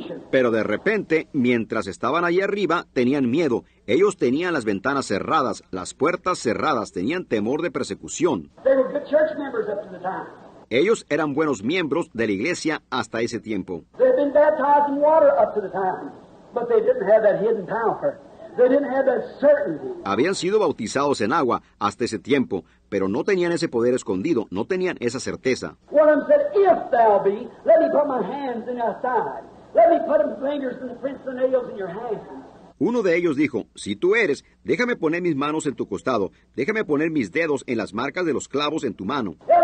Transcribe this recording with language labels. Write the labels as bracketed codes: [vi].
[es] Pero de repente, mientras estaban allí arriba, tenían miedo. Ellos tenían las ventanas cerradas, las puertas cerradas, tenían temor de persecución. [en] They were good church members up to the time. [es] Ellos eran buenos miembros de la iglesia hasta ese tiempo. [en] They had been baptized in water up to the time, but they didn't have that hidden power. They didn't have that certainty. [es] Habían sido bautizados en agua hasta ese tiempo, pero no tenían ese poder escondido, no tenían esa certeza. [en] One of them said, if thou be, let me put my hands in your side. Let me put my fingers in the prints of nails in your hands. [es] Uno de ellos dijo, si tú eres, déjame poner mis manos en tu costado. Déjame poner mis dedos en las marcas de los clavos en tu mano.